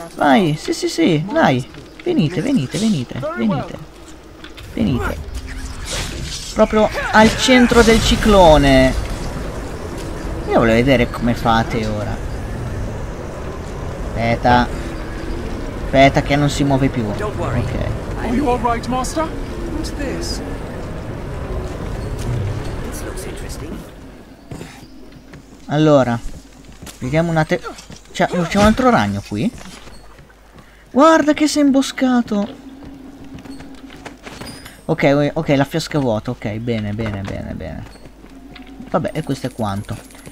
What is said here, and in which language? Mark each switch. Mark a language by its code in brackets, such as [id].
[it] Vai, sì, dai! Venite! Proprio al centro del ciclone! Io voglio vedere come fate ora. Aspetta. Aspetta che non si muove più. Ok. [en] Are you all right, master? What's this? This looks interesting. [it] Allora, vediamo un attimo. C'è un altro ragno qui? Guarda che si è imboscato. Ok, ok, la fiasca è vuota. Ok, bene, bene, bene, bene. Vabbè, e questo è quanto.